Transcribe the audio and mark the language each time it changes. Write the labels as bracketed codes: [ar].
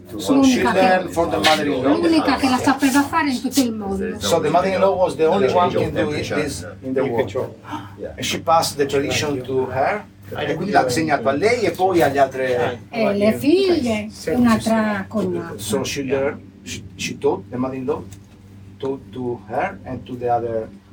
[it] L'unica che la sapeva fare in tutto il mondo. [en] So the mother-in-law was the only one who can do it this in the world. And she passed the tradition to her. [it] E quindi l'ha insegnato a lei e poi agli altre. E le figlie, un'altra cognata. [en] So she taught the mother-in-law to her and to the other.